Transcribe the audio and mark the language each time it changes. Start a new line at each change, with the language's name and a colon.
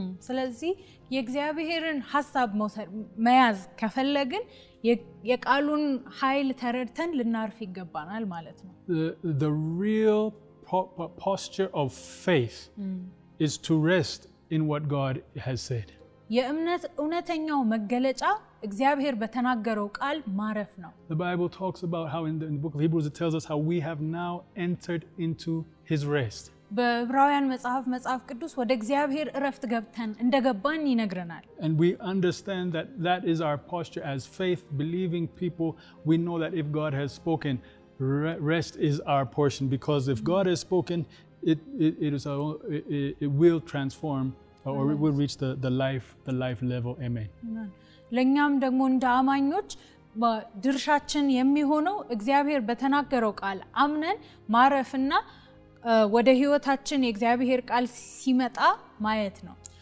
Amharic: ስለዚህ የእግዚአብሔርን ሐሳብ መያዝ ከፈለግን የቃሉን ኃይል ተረድተን ልናርፍ ይገባናል ማለት ነው
English: the real posture of faith is to rest in what God has said.
Amharic: የእምነት እውነተኛው መገለጫ እግዚአብሔር በተናገረው ቃል ማረፍ ነው.
English: The Bible talks about how in the book of Hebrews it tells us how we have now entered into his rest.
Amharic: በዕብራውያን መጽሐፍ ቅዱስ ወደ እግዚአብሔር ረፍት ገብተን እንደገባን ይነግረናል.
English: And we understand that is our posture as faith believing people. We know that if God has spoken, rest is our portion because if God has spoken, it will transform or it will reach the life level amen
Amharic: ለኛም ደግሞ እንዳማኞች በድርሻችን የሚሆነው እግዚአብሔር በተናገረው ቃል አምነን ማረፍና ወደ ህይወታችን የእግዚአብሔር ቃል ሲመጣ ማየት ነው